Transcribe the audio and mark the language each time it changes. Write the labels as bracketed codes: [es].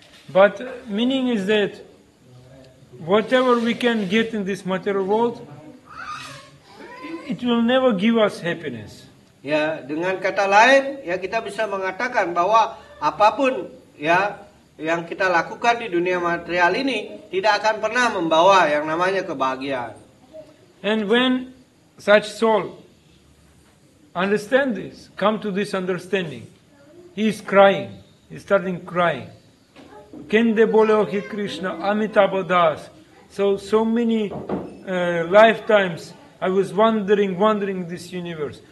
[en] But meaning is that whatever we can get in this material world, it will never give us happiness. [id] Ya, dengan kata lain, ya kita bisa mengatakan bahwa apapun ya yang kita lakukan di dunia material ini tidak akan pernah membawa yang namanya kebahagiaan. [en] And when such soul understand this, come to this understanding, he is crying, he's starting crying. Kende boleo hi Krishna Amitabha Das. So many lifetimes I was wandering this universe.